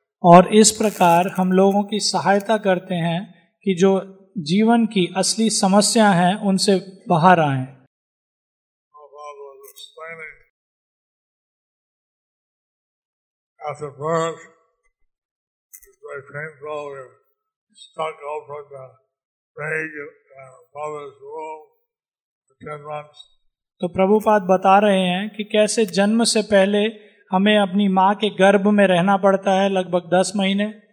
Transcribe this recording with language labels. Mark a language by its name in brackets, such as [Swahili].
[Hindi] और इस प्रकार हम लोगों की सहायता करते हैं कि जो जीवन की असली समस्या है उनसे बाहर आए. [English] Prabhupada was explaining. At birth, it was very painful. We were stuck over in the bag in mother's womb for 10 months. [Hindi] तो प्रभुपाद बता रहे हैं कि कैसे जन्म से पहले हमें अपनी माँ के गर्भ में रहना पड़ता है लगभग 10 महीने